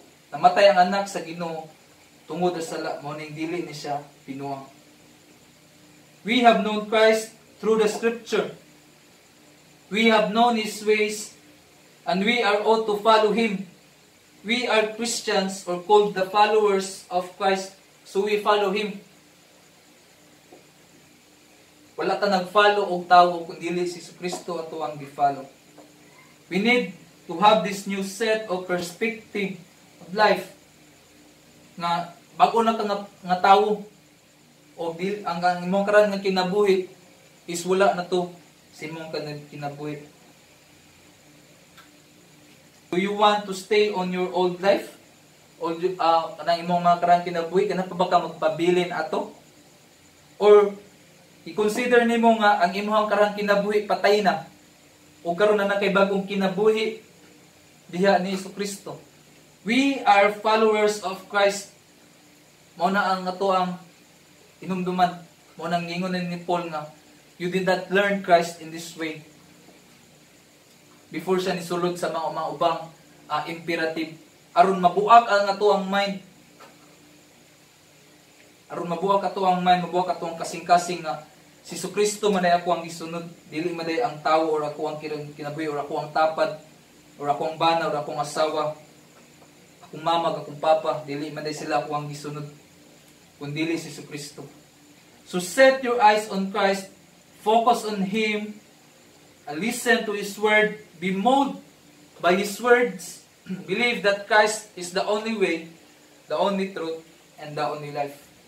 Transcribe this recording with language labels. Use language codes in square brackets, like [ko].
[ceb] Namatay ang anak sa Ginoo tungod sa sala, mao ning dili ni siya pinuang. [en] We have known Christ through the scripture. We have known His ways and we are ought to follow Him. We are Christians or called the followers of Christ, so we follow Him. [ceb] Wala ta nag-follow og tawo kundi si Jesucristo ato ang gi-follow. [en] We need to have this new set of perspective of life [ceb] na bago na ka nga tawo o dil ang imong karan nga kinabuhi is wala na to si imong karan kinabuhi. [en] Do you want to stay on your old life [ceb] o ang imong mga karan kinabuhi kana pa ba ka magpabilin ato or i-consider nimo nga ang imuhang karang kinabuhi patay na o karon na kay bagong kinabuhi diha ni Jesucristo. [en] We are followers of Christ. [ceb] Mao na ang ato ang inumduman. Mao nang ingon ni Paul nga [en] you did not learn Christ in this way [ceb] before siya nisulod sa mga ubang imperative aron mabuak ang ato ang mind. Aron mabuak ato ang mind, mabuak ato ang kasing-kasing nga si Jesucristo manay ako ang isunod, dili manay ang tao or ako ang kinabuhi or ako ang tapad or ako ang bana or ako ang asawa, ako mama, ako papa, dili manay sila ako ang isunod kundi dili si Jesucristo. [en] So set your eyes on Christ, focus on Him, listen to His word, be moved by His words, believe that Christ is the only way, the only truth, and the only life.